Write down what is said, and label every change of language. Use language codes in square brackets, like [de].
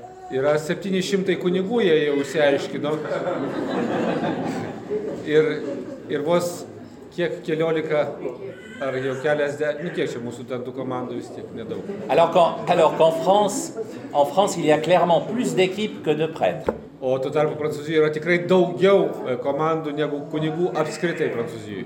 [lt] Yra 700 kunigų, jie jau išsiaiškino. Ir, ir vos kiek keliolika, ar jau keliasdešimt, nu kiek čia mūsų ten tų komandų vis tiek nedaug. [fr] Alors qu'en France, en France il y a clairement plus d'équipes que de prêtres. [lt] O tuo tarpu Prancūzijoje yra tikrai daugiau komandų negu kunigų apskritai Prancūzijoje.